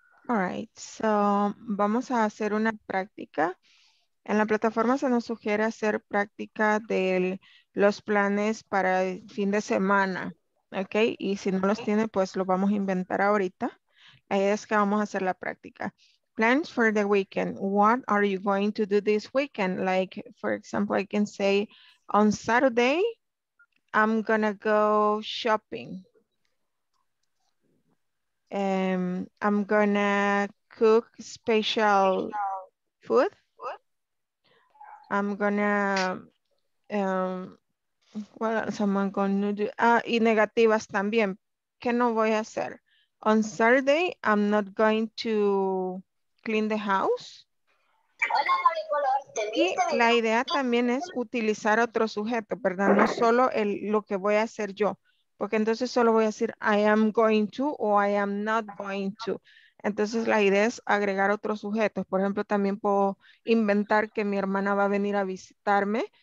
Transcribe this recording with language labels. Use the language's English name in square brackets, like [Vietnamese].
[English] All right, so [Spanish] vamos a hacer una práctica. En la plataforma se nos sugiere hacer práctica de los planes para el fin de semana, ¿ok? Y si no los tiene, pues lo vamos a inventar ahorita. La idea es que vamos a hacer la práctica. [English] Plans for the weekend. What are you going to do this weekend? Like, for example, I can say, on Saturday, I'm gonna go shopping. I'm gonna cook special food. I'm gonna, what else am I gonna do? [Spanish] Y negativas también. ¿Qué no voy a hacer? [English] On Saturday, I'm not going to clean the house. [Spanish] Hola, y la idea también es utilizar otro sujeto, ¿verdad? No solo el, lo que voy a hacer yo. Porque entonces solo voy a decir, [English] I am going to [Spanish] o [English] I am not going to. [Spanish] Entonces la idea es agregar otros sujetos. Por ejemplo, también puedo inventar que mi hermana va a venir a visitarme.